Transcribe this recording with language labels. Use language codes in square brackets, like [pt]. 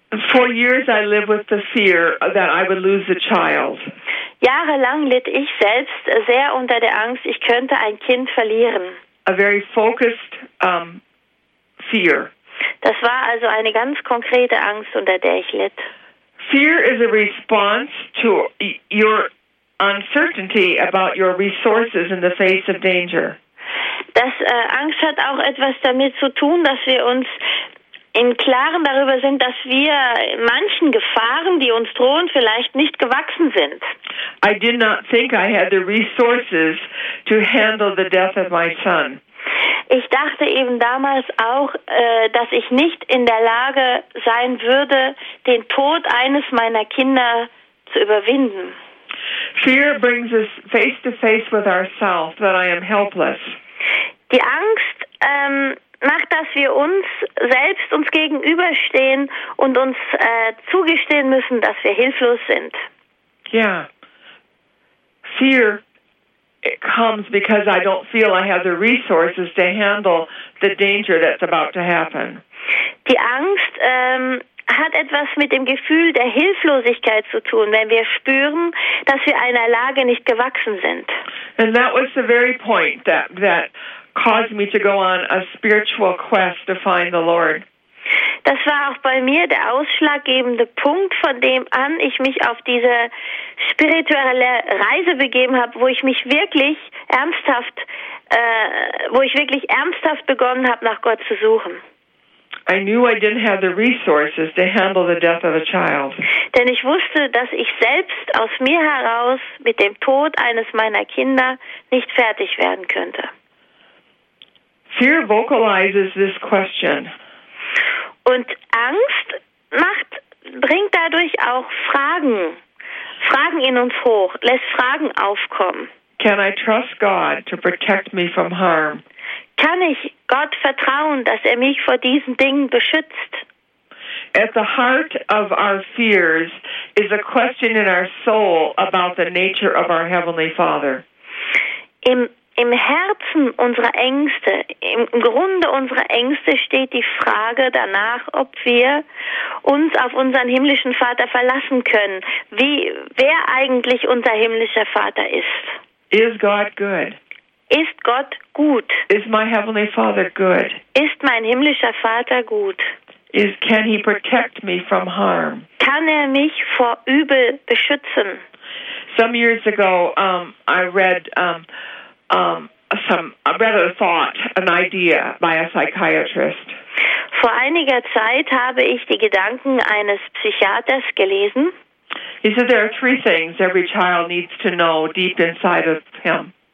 [en] For years I lived with the fear that I would lose the child. [de] Jahrelang litt ich selbst sehr unter der Angst, ich könnte ein Kind verlieren. [en] A very focused fear. [de] Das war also eine ganz konkrete Angst, unter der ich litt. [en] Fear is a response to your uncertainty about your resources in the face of danger. [de] dass Angst hat auch etwas damit zu tun, dass wir uns im Klaren darüber sind, dass wir manchen Gefahren, die uns drohen, vielleicht nicht gewachsen sind. [en] I did not think I had the resources to handle the death of my son. [de] Ich dachte eben damals auch, dass ich nicht in der Lage sein würde, den Tod eines meiner Kinder zu überwinden. [en] Fear brings us face to face with ourselves, that I am helpless. [de] Die Angst macht, dass wir uns selbst uns gegenüberstehen und uns zugestehen müssen, dass wir hilflos sind. [en] Yeah. Fear, it comes because I don't feel I have the resources to handle the danger that's about to happen. [de] Die Angst hat etwas mit dem Gefühl der Hilflosigkeit zu tun, wenn wir spüren, dass wir einer Lage nicht gewachsen sind. [en] And that was the very point that caused me to go on a spiritual quest to find the Lord. [de] Das war auch bei mir der ausschlaggebende Punkt, von dem an ich mich auf diese spirituelle Reise begeben habe, wo ich wirklich ernsthaft begonnen habe, nach Gott zu suchen. [en] I knew I didn't have the resources to handle the death of a child. [de] Denn ich wusste, dass ich selbst aus mir heraus mit dem Tod eines meiner Kinder nicht fertig werden könnte. [en] Fear vocalizes this question. [de] Und Angst bringt dadurch auch Fragen in uns hoch, lässt Fragen aufkommen. [en] Can I trust God to protect me from harm? [de] Kann ich Gott vertrauen, dass er mich vor diesen Dingen beschützt? [en] At the heart of our fears is a question in our soul about the nature of our Heavenly Father. [de] Im Herzen unserer Ängste, im Grunde unserer Ängste steht die Frage danach, ob wir uns auf unseren himmlischen Vater verlassen können. Wer eigentlich unser himmlischer Vater ist. [en] Is God good? [de] Ist Gott gut? [en] Is my heavenly Father good? [de] Ist mein himmlischer Vater gut? [en] Can he protect me from harm? [de] Kann er mich vor Übel beschützen? [en] Some years ago, I read an idea by a psychiatrist. [de] Vor einiger Zeit habe ich die Gedanken eines Psychiaters gelesen. [en] He said there are three things every child needs to know deep inside of him.